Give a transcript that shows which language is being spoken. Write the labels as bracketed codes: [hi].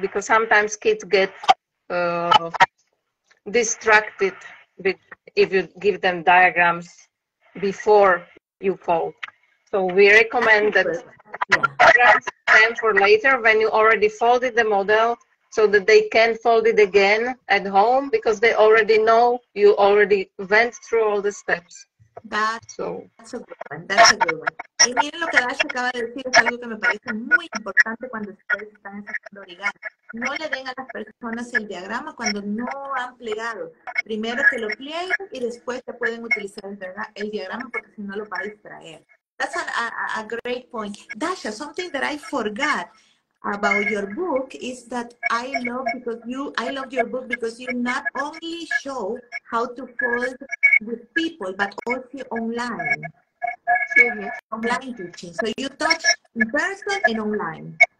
[en] Because sometimes kids get distracted if you give them diagrams before you fold. So we recommend that diagrams stand for later when you already folded the model, so that they can fold it again at home, because they already know you already went through all the steps. That's a good one. That's a good one. [es] Y miren lo que Dasha acaba de decir, es algo que me parece muy importante cuando ustedes están haciendo origami. No le den a las personas el diagrama cuando no han plegado. Primero que lo plieguen y después se pueden utilizar el diagrama, porque si no lo va a distraer. [en] That's a great point. Dasha, something that I forgot about your book is that I love your book because you not only show how to fold with people, but also online. Online teaching. So you touch in person and online.